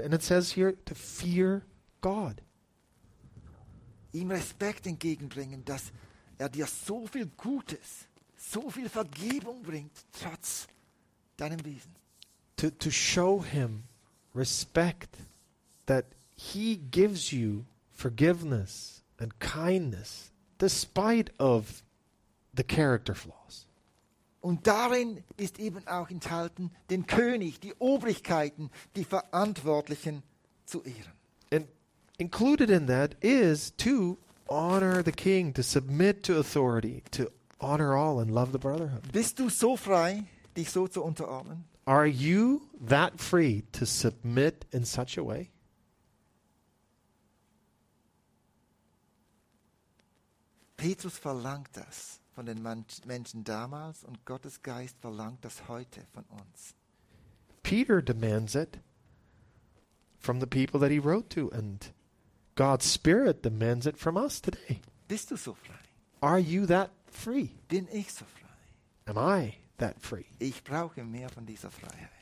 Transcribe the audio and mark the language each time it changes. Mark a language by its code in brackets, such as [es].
[en] And it says here, to fear God. [de] Ihm Respekt entgegenbringen, dass er dir so viel Gutes, so viel Vergebung bringt, trotz deinem Wesen. [en] To show him respect that he gives you forgiveness and kindness despite of the character flaws. [de] Und darin ist eben auch enthalten, den König, die Obrigkeiten, die Verantwortlichen zu ehren. [en] And included in that is to honor the king, to submit to authority, to honor all and love the brotherhood. [de] Bist du so frei, dich so zu unterordnen? [en] Are you that free to submit in such a way? [de] Petrus verlangt das von den Menschen damals und Gottes Geist verlangt das heute von uns. [en] Peter demands it from the people that he wrote to, and God's Spirit demands it from us today. [de] Bist du so frei? [en] Are you that free? [de] Bin ich so frei? [en] Am I that free? [de] Ich brauche mehr von dieser Freiheit.